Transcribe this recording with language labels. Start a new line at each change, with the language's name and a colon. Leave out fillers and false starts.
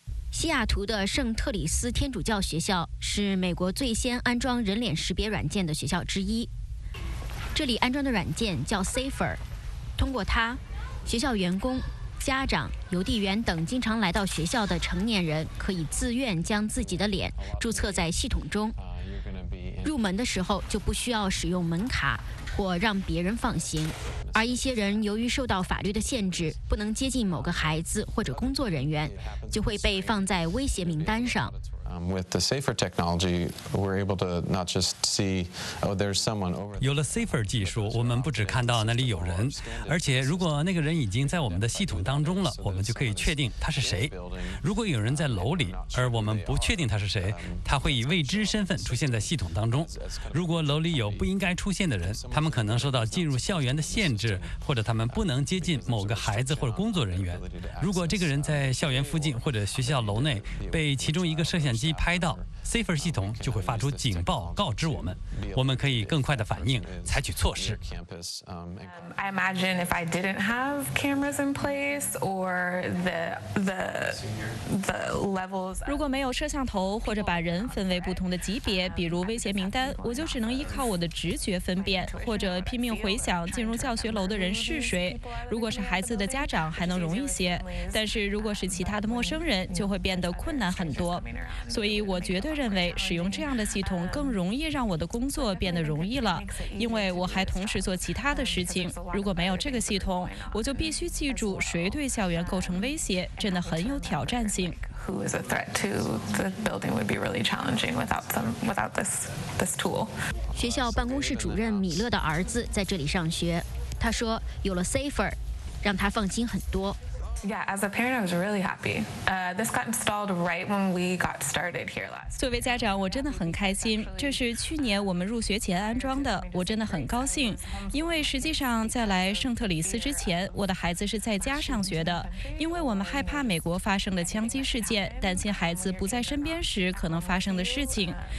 Chinese: 西雅图的圣特里斯天主教学校是美国最先安装人脸识别软件的学校之一，这里安装的软件叫 Safer， 通过它，学校员工、家长、邮递员等经常来到学校的成年人可以自愿将自己的脸注册在系统中，入门的时候就不需要使用门卡或让别人放行。而一些人由于受到法律的限制，不能接近某个孩子或者工作人员，就会被放在威胁名单上。
English: With the Safer technology, we're able to not just see, oh, there's someone over there.
Chinese: 有了 Safer 技术，我们不只看到那里有人，而且如果那个人已经在我们的系统当中了，我们就可以确定他是谁。如果有人在楼里，而我们不确定他是谁，他会以未知身份出现在系统当中。如果楼里有不应该出现的人，他们可能受到进入校园的限制，或者他们不能接近某个孩子或者工作人员。如果这个人在校园附近或者学校楼内被其中一个摄像机拍到， Safer 系统就会发出警报告知我们，我们可以更快的反应，采取措施。
English: I imagine if I didn't have cameras in place or the levels.
Chinese: 如果没有摄像头或者把人分为不同的级别，比如威胁名单，我就只能依靠我的直觉分辨，或者拼命回想进入教学楼的人是谁。如果是孩子的家长，还能容易些，但是如果是其他的陌生人，就会变得困难很多。所以我绝对认为使用这样的系统更容易让我的工作变得容易了，因为我还同时做其他的事情。如果没有这个系统，我就必须记住谁对校园构成威胁，真的很有挑战性。
English: Who is a threat to the building would be really challenging without this tool.
Chinese: 学校办公室主任米勒的儿子在这里上学，他说有了 Safer 让他放心很多。
English: Yeah, as a parent, I was really happy. This got installed right when we got started here last.
Chinese: 作为家长，我真的很开心。这是去年我们入学前安装的，我真的很高兴。因为实际上在来圣特里斯之前，我的孩子是在家上学的。因为我们害怕美国发生的枪击事件，担心孩子不在身边时可能发生的事情。